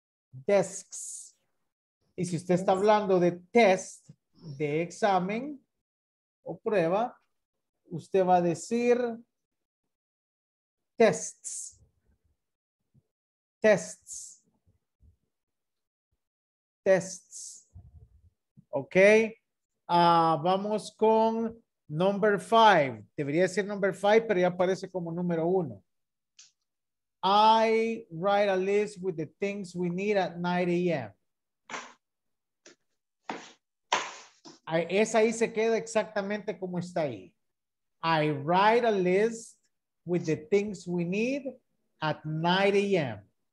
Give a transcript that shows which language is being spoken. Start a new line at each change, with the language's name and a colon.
Spanish: Desks. Y si usted está hablando de test, de examen, o prueba, usted va a decir tests.
English: Tests.
Spanish: Tests. Ok. Vamos con
English: number five.
Spanish: Debería ser
English: number five,
Spanish: pero ya aparece como número uno.
English: I write a list with the things we need at 9 a.m.
Spanish: Esa ahí se queda exactamente como está ahí.
English: I write a list with the things we need at 9 a.m.